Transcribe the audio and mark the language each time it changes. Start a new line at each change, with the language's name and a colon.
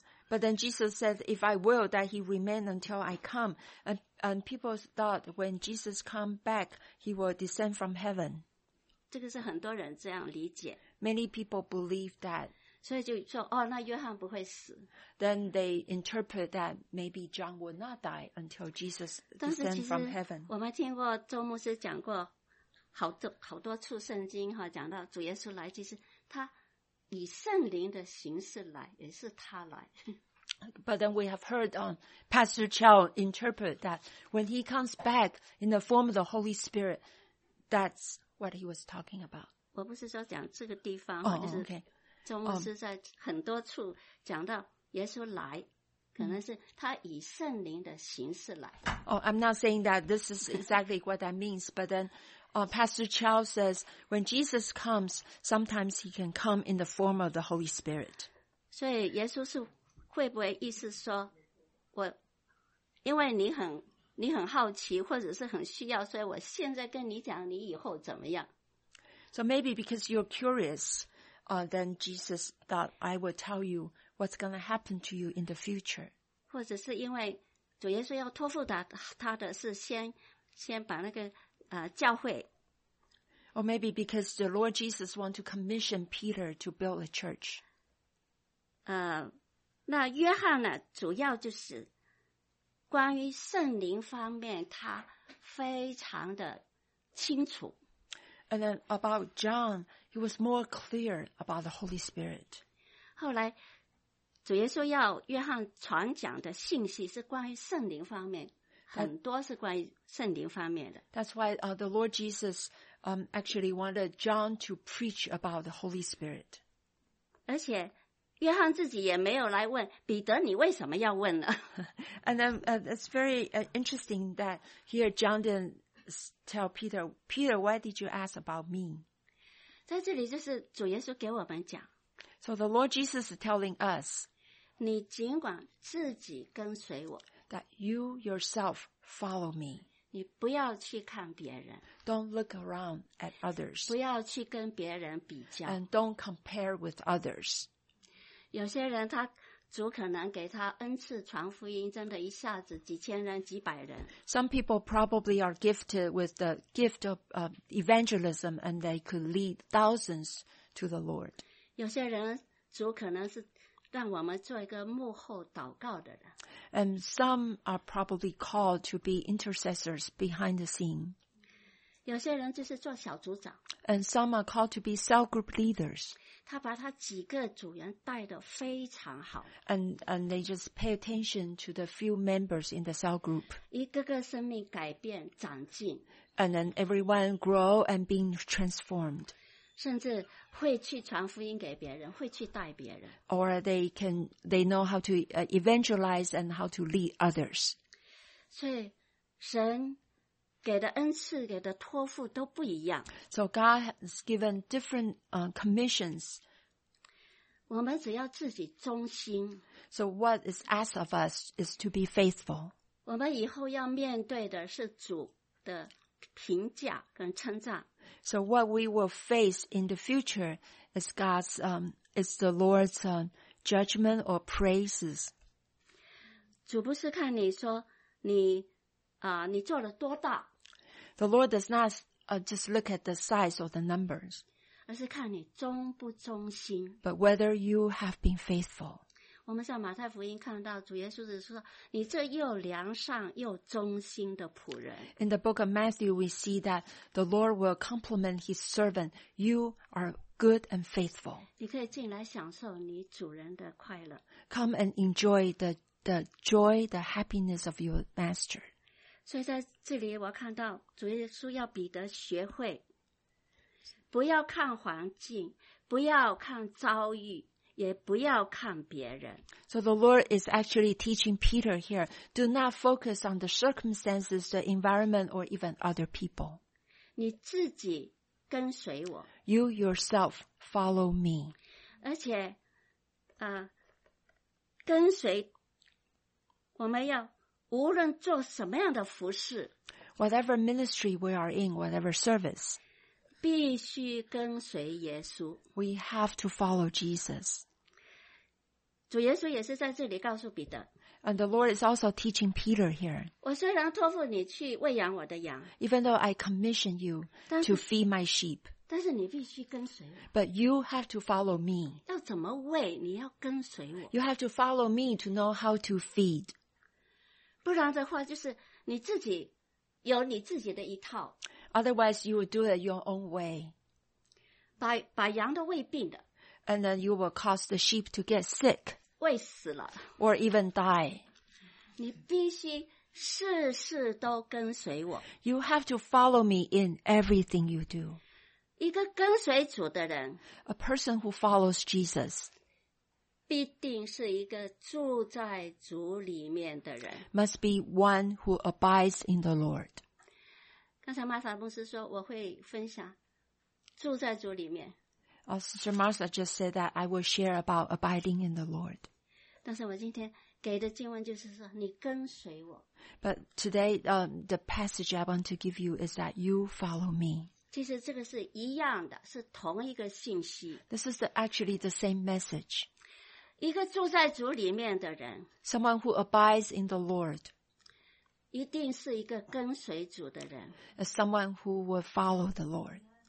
English: But then Jesus said, if I will that he remain until I come. And people thought when Jesus come back, he will descend from heaven.
Chinese: 这个是很多人这样理解。
English: Many people believe that.
Chinese: 所以就说哦，那约翰不会死。
English: Then they interpret that maybe John will not die until Jesus descend from heaven.
Chinese: 我们听过周牧师讲过好多处圣经哈，讲到主耶稣来，其实他以圣灵的形式来，也是他来。
English: But then we have heard Pastor Chow interpret that when he comes back in the form of the Holy Spirit, that's. What he was talking about.
Chinese: 我不是说讲这个地方，就是周牧师在很多处讲到耶稣来，可能是他以圣灵的形式来。
English: Oh, I'm not saying that this is exactly what that means, but then, Pastor Chow says when Jesus comes, sometimes he can come in the form of the Holy Spirit.
Chinese: 所以耶稣是会不会意思说，我因为你很好奇或者是很需要，所以我现在跟你讲你以后怎么样。
English: So maybe because you're curious, then Jesus thought I will tell you what's going to happen to you in the future.
Chinese: 或者是因为主耶稣要托付他的是先把那个教会。
English: Or maybe because the Lord Jesus want to commission Peter to build a church.
Chinese: 那约翰呢，主要就是关于圣灵方面他非常的清楚。
English: And then about John, he was more clear about the Holy Spirit.
Chinese: 后来主耶稣要约翰传讲的信息是关于圣灵方面，很多是关于圣灵方面的。
English: That's why the Lord Jesus actually wanted John to preach about the Holy Spirit.
Chinese: 而且约翰自己也没有来问彼得，你为什么要问呢？
English: And then it's very interesting that here John didn't tell Peter, why did you ask about me?
Chinese: 在这里就是主耶稣给我们讲。
English: So the Lord Jesus is telling us,
Chinese: 你尽管自己跟随我。
English: that you yourself follow me.
Chinese: 你不要去看别人。
English: Don't look around at others.
Chinese: 不要去跟别人比较。
English: And don't compare with others.
Chinese: 有些人他主可能给他恩赐传福音，真的一下子几千人、几百人。
English: Some people probably are gifted with the gift of evangelism, and they could lead thousands to the Lord.
Chinese: 有些人主可能是让我们做一个幕后祷告的人。
English: And some are probably called to be intercessors behind the scene.
Chinese: 有些人就是做小组长。
English: And some are called to be cell group leaders.
Chinese: 他把他几个组员带得非常好。
English: And they just pay attention to the few members in the cell group.
Chinese: 一个个生命改变长进。
English: And then everyone grow and being transformed.
Chinese: 甚至会去传福音给别人，会去带别人。
English: Or they know how to evangelize and how to lead others.
Chinese: 所以神给的恩赐、给的托付都不一样。
English: So God has given different commissions.
Chinese: 我们只要自己忠心。
English: So what is asked of us is to be faithful.
Chinese: 我们以后要面对的是主的评价跟称赞。
English: So what we will face in the future is God's, is the Lord's judgment or praises.
Chinese: 主不是看你说你你做了多大。
English: The Lord does not just look at the size or the numbers.
Chinese: 而是看你忠不忠心。
English: But whether you have been faithful.
Chinese: 我们在马太福音看到主耶稣是说，你这又良善又忠心的仆人。
English: In the book of Matthew, we see that the Lord will compliment his servant. You are good and faithful.
Chinese: 你可以进来享受你主人的快乐。
English: Come and enjoy the joy, the happiness of your master.
Chinese: 所以在这里我看到主耶稣要彼得学会，不要看环境，不要看遭遇，也不要看别人。
English: So the Lord is actually teaching Peter here, do not focus on the circumstances, the environment, or even other people.
Chinese: 你自己跟随我。
English: You yourself follow me.
Chinese: 而且跟随我们要无论做什么样的服事。
English: Whatever ministry we are in, whatever service.
Chinese: 必须跟随耶稣。
English: We have to follow Jesus.
Chinese: 主耶稣也是在这里告诉彼得。
English: And the Lord is also teaching Peter here.
Chinese: 我虽然托付你去喂养我的羊。
English: Even though I commission you to feed my sheep.
Chinese: 但是你必须跟随我。
English: But you have to follow me.
Chinese: 要怎么喂，你要跟随我。
English: You have to follow me to know how to feed.
Chinese: 不然的话就是你自己有你自己的一套。
English: Otherwise you will do it your own way.
Chinese: 把羊都喂病的。
English: And then you will cause the sheep to get sick.
Chinese: 喂死了。
English: Or even die.
Chinese: 你必须事事都跟随我。
English: You have to follow me in everything you do.
Chinese: 一个跟随主的人。
English: A person who follows Jesus.
Chinese: 必定是一个住在主里面的人。
English: Must be one who abides in the Lord.
Chinese: 刚才玛莎牧师说我会分享住在主里面。
English: Sister Martha just said that I will share about abiding in the Lord.
Chinese: 但是我今天给的经文就是说你跟随我。
English: But today, the passage I want to give you is that you follow me.
Chinese: 其实这个是一样的，是同一个信息。
English: This is actually the same message.
Chinese: 一个住在主里面的人。
English: Someone who abides in the Lord.
Chinese: 一定是一个跟随主的人。
English: As someone who will follow the Lord.